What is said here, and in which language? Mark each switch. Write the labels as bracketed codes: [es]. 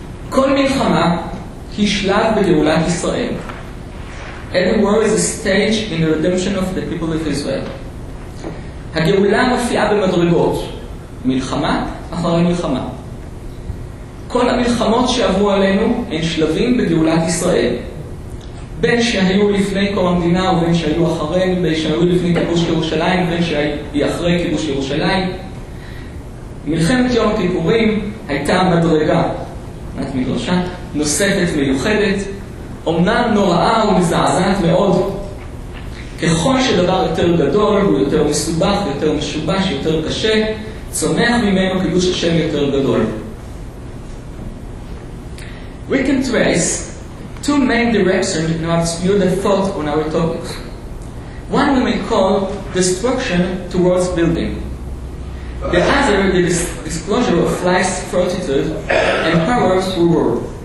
[he] כל מלחמה היא שלב בגאולת ישראל. [en] Every war is a stage in the redemption of the people of Israel. [he] הגאולה מופיעה במדרגות, מלחמה אחרי מלחמה. כל המלחמות שעברו עלינו הן שלבים בגאולת ישראל. בין שהיו לפני קום המדינה ובין שהיו אחריהם, בין שהיו לפני כיבוש ירושלים ובין שהיא אחרי כיבוש ירושלים. מלחמת יום הכיפורים הייתה מדרגה. את מדרשה נוספת מיוחדת, אומנם נוראה ומזעזעת מאוד. ככל שדבר יותר גדול הוא יותר מסובך, יותר משובש, יותר קשה, צומח ממנו קידוש השם יותר גדול. [en] We can trace two main directions in our view of thought on our topic. One we may call destruction towards building. The other, the disclosure of life's fortitude and power through war.